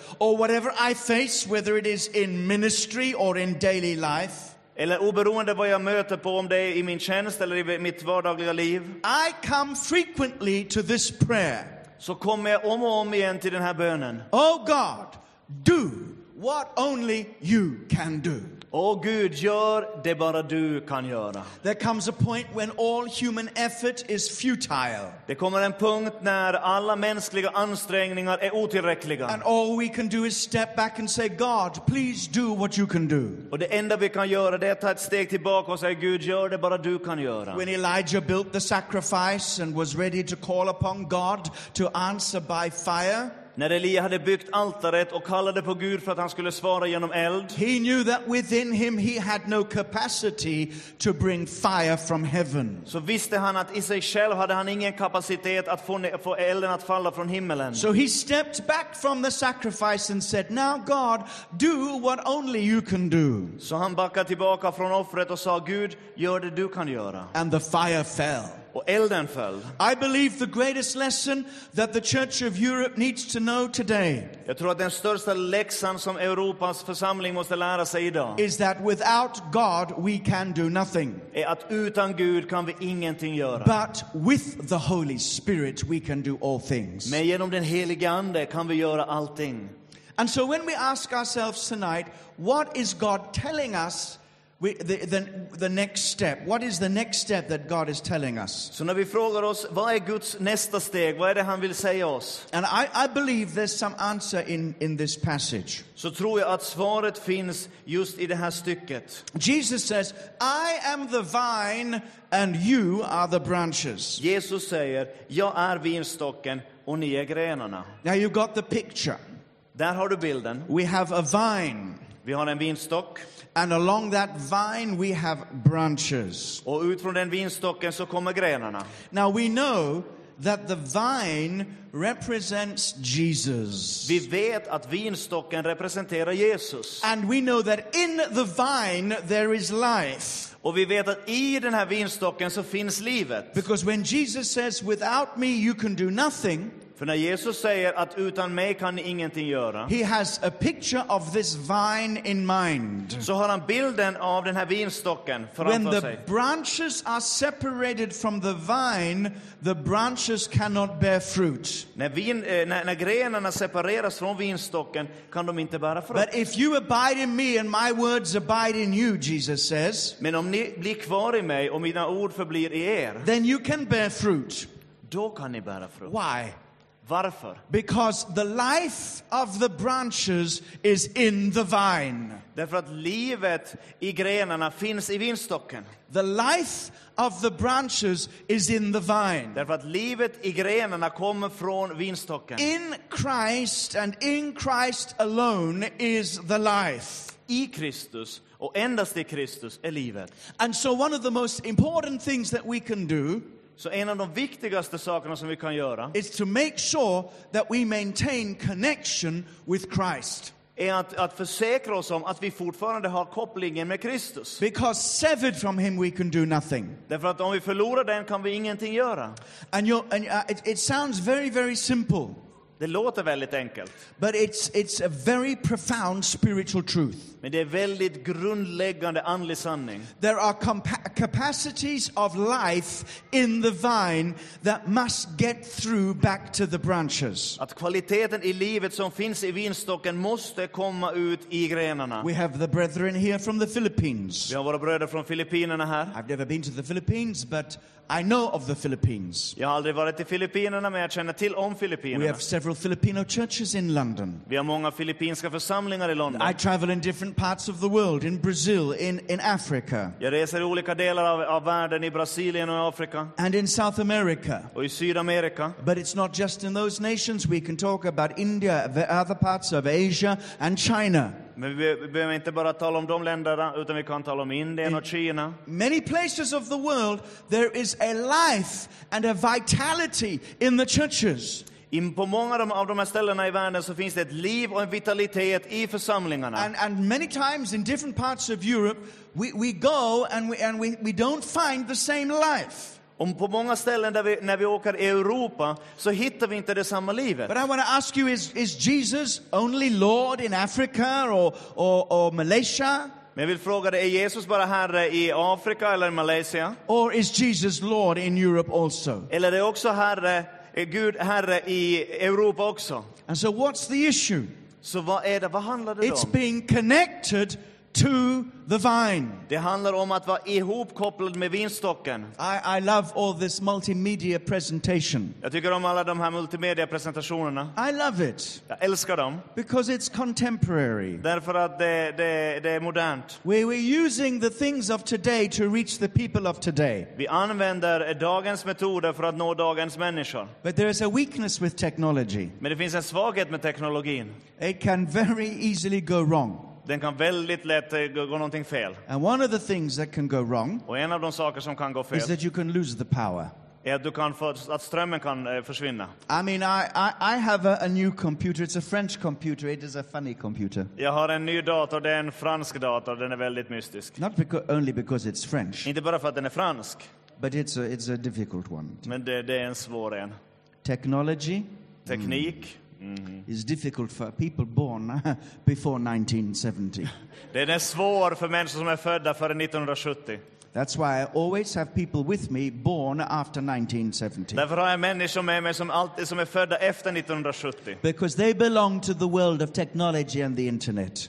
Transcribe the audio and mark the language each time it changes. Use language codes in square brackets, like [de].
[en] Or whatever I face, whether it is in ministry or in daily life. [sv] Eller oberoende vad jag möter på, om det är i min tjänst eller i mitt vardagliga liv. [en] I come frequently to this prayer. [sv] Så kommer jag om och om igen till den här bönen. [en] Oh God, do what only you can do. [sv] Åh Gud, gör det bara du kan göra. [en] There comes a point when all human effort is futile. [sv] Det kommer en punkt när alla mänskliga ansträngningar är otillräckliga. [en] And all we can do is step back and say, God, please do what you can do. [sv] Och det enda vi kan göra det är att ta ett steg tillbaka och säga, Gud, gör det bara du kan göra. [en] When Elijah built the sacrifice and was ready to call upon God to answer by fire. [sv] När Elia hade byggt altaret och kallade på Gud för att han skulle svara genom eld. [en] He knew that within him he had no capacity to bring fire from heaven. [sv] Så visste han att i sig själv hade han ingen kapacitet att få elden att falla från himmelen. [en] So he stepped back from the sacrifice and said, "Now God, do what only you can do." [sv] Så han backade tillbaka från offret och sa, "Gud, gör det du kan göra." [en] And the fire fell. [sv] Elden föll. [en] I believe the greatest lesson that the Church of Europe needs to know today. [sv] Jag tror att den största läxan som Europas församling måste lära sig idag. [en] Is that without God we can do nothing. [sv] Är att utan Gud kan vi ingenting göra. [en] But with the Holy Spirit we can do all things. [sv] Men genom den helige ande kan vi göra allting. [en] And so when we ask ourselves tonight, what is God telling us? The next step. What is the next step that God is telling us? [sv] Så när vi frågar oss, vad är Guds nästa steg? Vad är det han vill säga oss? [en] And I believe there's some answer in this passage. [sv] Så tror jag att svaret finns just i det här stycket. [en] Jesus says, I am the vine and you are the branches. [sv] Jesus säger, jag är vinstocken och ni är grenarna. [en] Now you got the picture. [sv] Där har du bilden. [en] We have a vine. [sv] Vi har en vinstock. [en] And along that vine we have branches. [sv] Och ut från den vinstocken så kommer grenarna. [en] Now we know that the vine represents Jesus. [sv] Vi vet att vinstocken representerar Jesus. [en] And we know that in the vine there is life. [sv] Och vi vet att i den här vinstocken så finns livet. [en] Because when Jesus says, without me you can do nothing. [sv] För när Jesus säger att utan mig kan ni ingenting göra. [en] He has a picture of this vine in mind. [sv] Så har han bilden av den här vinstocken framför sig. [en] When the branches are separated from the vine, the branches cannot bear fruit. [sv] När grenarna separeras från vinstocken kan de inte bära frukt. [en] But if you abide in me and my words abide in you, Jesus says. [sv] Men om ni blir kvar i mig och mina ord förblir i er. [en] Then you can bear fruit. [sv] Då kan ni bära frukt. [en] Why? [sv] Varför? [en] Because the life of the branches is in the vine. [sv] Därför att livet i grenarna finns i vinstocken. [en] The life of the branches is in the vine. [sv] Därför att livet i grenarna kommer från vinstocken. [en] In Christ and in Christ alone is the life. [sv] I Kristus och endast i Kristus är livet. [en] And so one of the most important things that we can do, [sv] så en av de viktigaste sakerna som vi kan göra, [en] is to make sure that we maintain connection with Christ. [sv] Är att försäkra oss om att vi fortfarande har kopplingen med Kristus. [en] Because severed from him we can do nothing. [sv] Därför att om vi förlorar den kan vi ingenting göra. [en] It sounds very, very simple. [sv] Det låter väldigt enkelt. [en] But it's a very profound spiritual truth. [sv] Men det är väldigt grundläggande andlig sanning. [en] There are capacities of life in the vine that must get through back to the branches. [sv] Att kvaliteten i livet som finns i vinstocken måste komma ut i grenarna. [en] We have the brethren here from the Philippines. [sv] Vi har våra bröder från Filippinerna här. [en] I've never been to the Philippines, but I know of the Philippines. [sv] Jag har aldrig varit i Filippinerna, men jag känner till om Filippinerna. [en] We have several Filipino churches in London. [sv] Vi har många filippinska församlingar i London. [en] I travel in different parts of the world, in Brazil, in Africa. [sv] Jag reser i olika delar av världen, i Brasilien och Afrika. [en] And in South America. [sv] Och i Sydamerika. [en] But it's not just in those nations. We can talk about India, the other parts of Asia and China. [sv] Men vi behöver inte bara tala om de länderna, utan vi kan tala om Indien och Kina. [en] Many places of the world there is a life and a vitality in the churches. [sv] På många av de här ställena i världen så finns det ett liv och en vitalitet i församlingarna. [en] And many times in different parts of Europe we go and we don't find the same life. [sv] Om på många ställen där vi, när vi åker i Europa, så hittar vi inte det samma livet. [en] But I want to ask you, is Jesus only Lord in Africa or Malaysia? [sv] Men jag vill fråga dig, är Jesus bara herre i Afrika eller i Malaysia? [en] Or is Jesus Lord in Europe also? [sv] Eller är det också herre, är Gud herre i Europa också? [en] And so what's the issue? [sv] Så vad är det, vad handlar det om? [en] It's being connected to the vine. [sv] Det handlar om att vara ihopkopplad med vinstocken. [en] I love all this multimedia presentation. [sv] Jag tycker om alla de här multimedia presentationerna. [en] I love it. [sv] Jag älskar dem. [en] Because it's contemporary. [sv] Därför att det är modernt. [en] We're using the things of today to reach the people of today. [sv] Vi använder dagens metoder för att nå dagens människor. [en] But there is a weakness with technology. [sv] Men det finns en svaghet med teknologin. [en] It can very easily go wrong. [sv] Den kan väldigt lätt gå någonting fel. [en] And one of the things that can go wrong, [sv] och en av de saker som kan gå fel, [en] is that you can lose the power. [sv] Är att du kan få, att strömmen kan försvinna. [en] I mean, I have a new computer. It's a French computer. It is a funny computer. [sv] Jag har en ny dator. Det är en fransk dator. Den är väldigt mystisk. [en] Not because, only because it's French. [sv] Inte bara för att den är fransk. [en] But it's a difficult one. [sv] Men det är en svår en. [en] Technology. [sv] Teknik. [en] Is difficult for people born before 1970. [sv] Det är svårt för människor som är födda före 1970. [en] That's why I always have people with me born after 1970. [sv] Därför har jag människor med mig som alltid som är födda efter 1970. [en] Because they belong to the world of technology and the internet.